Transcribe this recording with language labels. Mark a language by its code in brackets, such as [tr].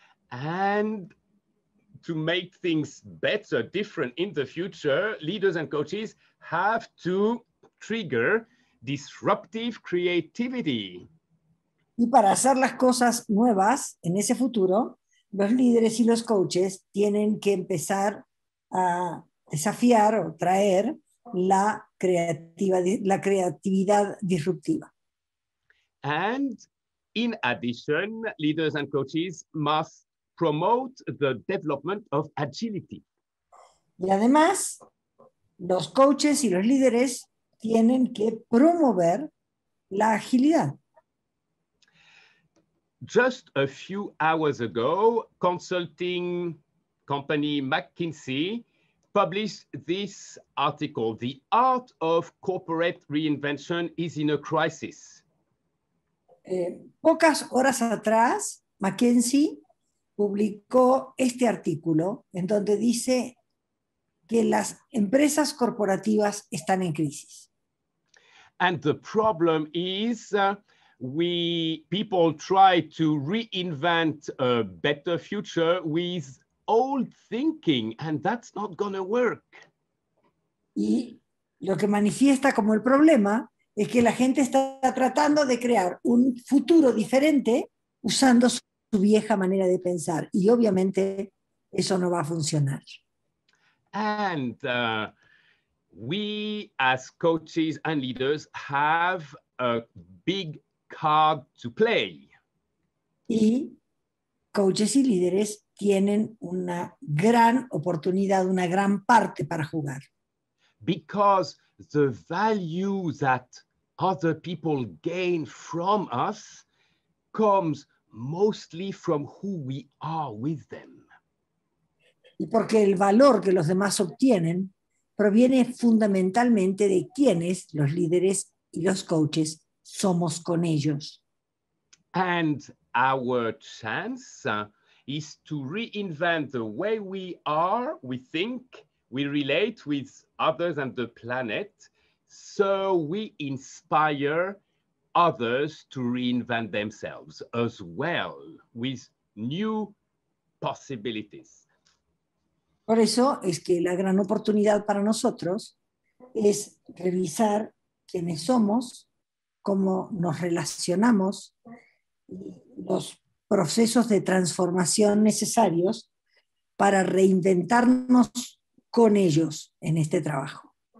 [en] And to make things better, different in the future, leaders and coaches have to trigger disruptive creativity. [es] Y para hacer las cosas nuevas en ese futuro, los líderes y los coaches tienen que empezar a desafiar o traer la creatividad disruptiva. [en] And in addition, leaders and coaches must promote the development of agility. [es] Y además, los coaches y los líderes tienen que promover la agilidad. [en] Just a few hours ago, consulting company McKinsey published this article, "The Art of Corporate Reinvention is in a Crisis." [es] Pocas horas atrás, McKinsey publicó este artículo en donde dice que las empresas corporativas están en crisis. [en] And the problem is people try to reinvent a better future with old thinking, and that's not going to work. [es] Y lo que manifiesta como el problema es que la gente está tratando de crear un futuro diferente usando su vieja manera de pensar, y obviamente eso no va a funcionar. [en] And we as coaches and leaders have a big card to play. [es] Y coaches y líderes tienen una gran oportunidad, una gran parte para jugar. [en] Because the value that other people gain from us comes mostly from who we are with them. [es] Y porque el valor que los demás obtienen proviene fundamentalmente de quienes los líderes y los coaches somos con ellos. [en] And our chance is to reinvent the way we are, we think, we relate with others and the planet, so we inspire others to reinvent themselves as well with new possibilities. [es] Por eso es que la gran oportunidad para nosotros es revisar quiénes somos, cómo nos relacionamos, los procesos de transformación necesarios para reinventarnos con ellos en este trabajo.